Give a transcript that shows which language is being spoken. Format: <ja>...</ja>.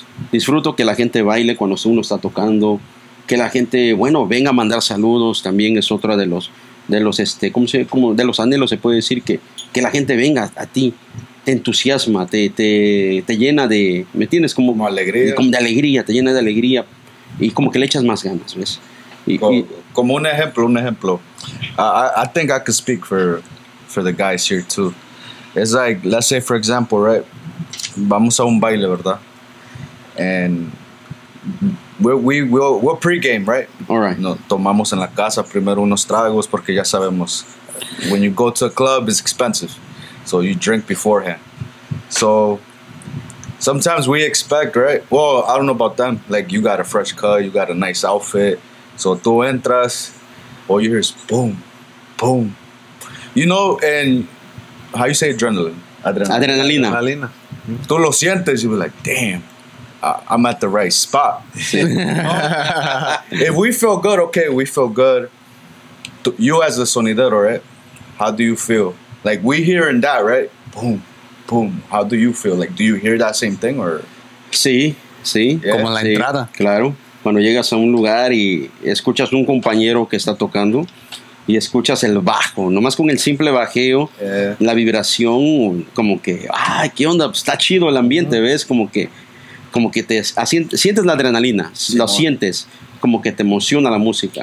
<es>Disfruto que la gente baile cuando uno está tocando, que la gente, bueno, venga a mandar saludos, también es otra de los de los anhelos, se puede decir, que la gente venga a ti, te entusiasma, te llena de, ¿me entiendes? Como alegría. Como de alegría, te llena de alegría y como que le echas más ganas, ¿ves? Como un ejemplo.</es> <en>I think I can speak for the guys here too. It's like, let's say for example, right?</en> <es>Vamos a un baile, ¿verdad?</es> <en>And we're pregame, right? All right.</en> <es>No, tomamos en la casa primero unos tragos porque ya sabemos,</es> <en>when you go to a club, it's expensive. So you drink beforehand. So sometimes we expect, right? Well, I don't know about them. Like, you got a fresh cut, you got a nice outfit. So</en> <es>tú entras,</es> <en>all you hear is boom, boom. You know, and how you say adrenaline?</en> <es>Adrenalina. Adrenalina.</es> <en>Mm-hmm.</en> <es>Tú lo sientes,</es> <en>you be like, damn. I'm at the right spot. If we feel good, okay, we feel good. You as a sonidero, right? How do you feel? Like, we hearing that, right? Boom, boom. How do you feel? Like, do you hear that same thing or?</en> <es>Sí, sí. Yeah. Como la sí, entrada. Claro. Cuando llegas a un lugar y escuchas un compañero que está tocando y escuchas el bajo, nomás con el simple bajeo,</es> <en>yeah,</en> <es>la vibración, como que, ay, qué onda, está chido el ambiente, uh-huh, ¿ves? Como que te sientes la adrenalina, sí, lo sientes, como que te emociona la música.</es>